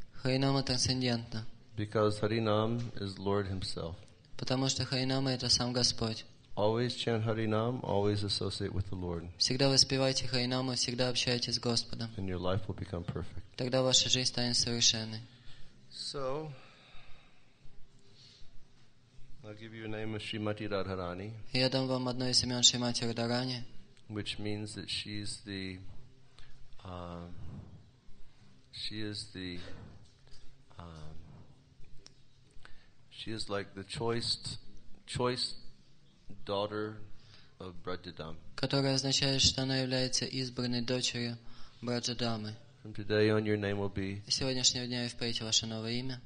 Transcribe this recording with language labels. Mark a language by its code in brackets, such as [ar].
[ru] Hare Nam трансцендентно. [en] Because Hare Nam is Lord Himself. [ru] Потому что Харинама — это сам Господь. [en] Always chant Harinam, always associate with the Lord. [ru] Всегда воспевайте Харинаму, всегда общайтесь с Господом. [en] And your life will become perfect. [ru] Тогда ваша жизнь станет совершенной. [en] So, I'll give you a name of Srimati Radharani. [ru] Я дам вам одно из имен Шримати Радхарани. [en] Which means that she's the she is like the choice daughter of Brajadam. [ru] Которая означает, что она является избранной дочерью Брадждамы. [en] From today on, your name will be. [ru] С сегодняшнего дня и впредь ваше новое имя.